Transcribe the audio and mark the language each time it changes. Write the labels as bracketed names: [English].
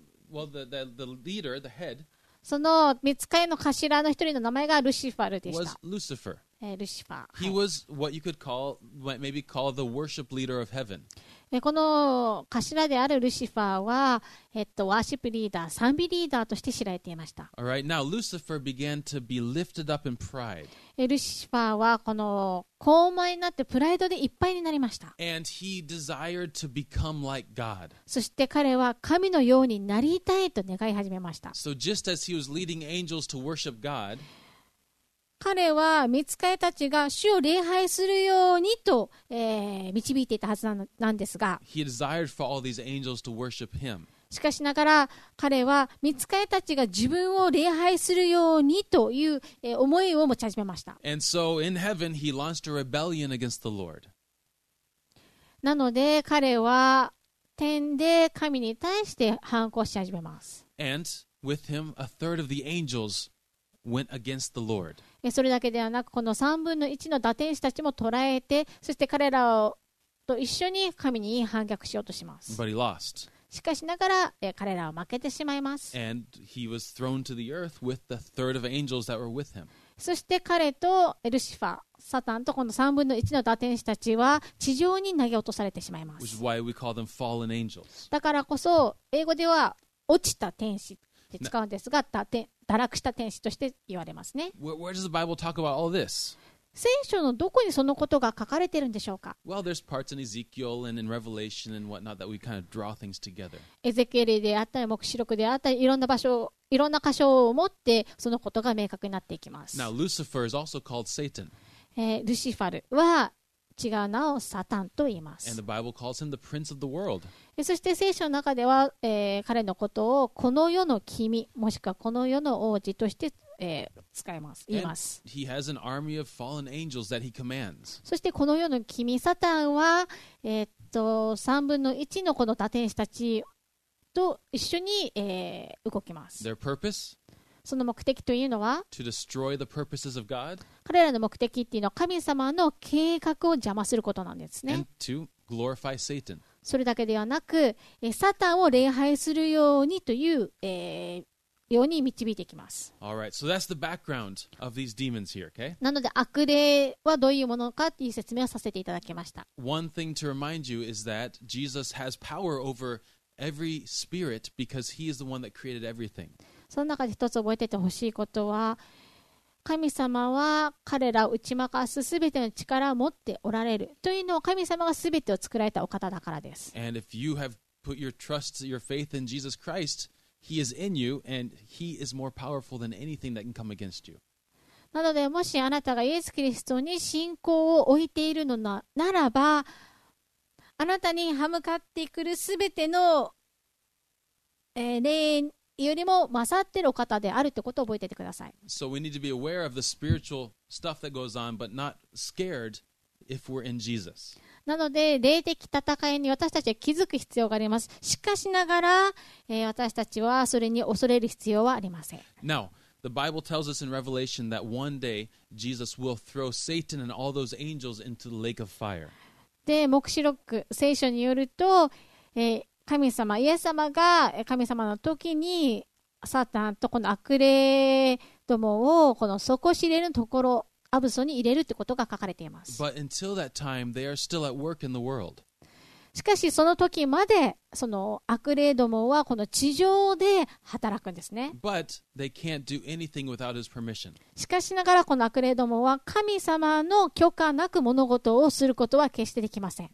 [English] Well, the leader, the head. [Japanese] その御使いの頭の一人の名前がルシファルでした。 [English] Was Lucifer. [Japanese] ルシファー。 [English] He was what you could call, maybe call the worship leader of heaven. [Japanese] この頭であるルシファーは、ワーシップリーダー、賛美リーダーとして知られていました。 [English] All right, now Lucifer began to be lifted up in pride. [Japanese] ルシファーはこの高慢になってプライドでいっぱいになりました。 [English] And he desired to become like God. [Japanese] そして彼は神のようになりたいと願い始めました。 [English] So just as he was leading angels to worship God, [Japanese] 彼は御使いたちが主を礼拝するようにと、導いていたはずなんですが、 [English] He desired for all these angels to worship him. [Japanese] しかしながら彼は御使いたちが自分を礼拝するようにという、思いを持ち始めました。 [English] And so in heaven he launched a rebellion against the Lord. [Japanese] なので彼は天で神に対して反抗し始めます。 [English] And with him a third of the angels went against the Lord. [Japanese] それだけではなく、この3分の1の堕天使たちも捕らえて、そして彼らと一緒に神に反逆しようとします。 [English] But he lost. [Japanese] しかしながら、彼らは負けてしまいます。 [English] And he was thrown to the earth with the third of angels that were with him. [Japanese] そして彼とルシファー、サタンとこの3分の1の堕天使たちは地上に投げ落とされてしまいます。 [English] Which is why we call them fallen angels. [Japanese] だからこそ、英語では落ちた天使って使うんですが、堕天堕落した天使として言われますね。 [English] Where does the Bible talk about all this? [Japanese] 聖書のどこにそのことが書かれているんでしょうか。 [English] Well, there's parts in Ezekiel and in Revelation and whatnot that we kind of draw things together. [Japanese] エゼキエルであったり、黙示録であったり、いろんな場所、いろんな箇所を持ってそのことが明確になっていきます。 [English] Now, Lucifer is also called Satan. [Japanese] ルシファルは違う名をサタンと言います。 [English] And the Bible calls him the prince of the world. [Japanese] そして聖書の中では、彼のことをこの世の君もしくはこの世の王子として、使います言います。 [English] He has an army of fallen angels that he commands. [Japanese] そしてこの世の君サタンは、3分の1のこの堕天使たちと一緒に、動きます。 [English] Their purpose? [Japanese] その目的というのは [English] to destroy the purposes of God? [Japanese] 彼らの目的というのは神様の計画を邪魔することなんですね。 [English] And to glorify Satan. [Japanese] それだけではなく、サタンを礼拝するようにという、ように導いていきます。 [English] All right. So that's the background of these demons here, okay? [Japanese] なので悪霊はどういうものかという説明をさせていただきました。 [English] One thing to remind you is that Jesus has power over every spirit because he is the one that created everything. [Japanese] その中で一つ覚えててほしいことは、神様は彼らを打ち負かすすべての力を持っておられるというのを神様がすべてを作られたお方だからです。 [English] And if you have put your trust, your faith in Jesus Christ, He is in you, and He is more powerful than anything that can come against you. [Japanese] なのでもしあなたがイエス・キリストに信仰を置いているのならば、あなたに歯向かってくるすべての、霊よりも勝っているお方であるということを覚えていてください。 [English] So we need to be aware of the spiritual stuff that goes on, but not scared if we're in Jesus. [Japanese] なので、霊的戦いに私たちは気づく必要があります。しかしながら、私たちはそれに恐れる必要はありません。 [English] Now, the Bible tells us in Revelation that one day Jesus will throw Satan and all those angels into the lake of fire. [Japanese] で、黙示録、聖書によると、神様、イエス様が神様の時にサタンとこの悪霊どもをこの底知れぬところアブソに入れるってことが書かれています。 [English] But until that time, they are still at work in the world. [Japanese] しかしその時までその悪霊どもはこの地上で働くんですね。 [English] But they can't do anything without his permission. [Japanese] しかしながらこの悪霊どもは神様の許可なく物事をすることは決してできません。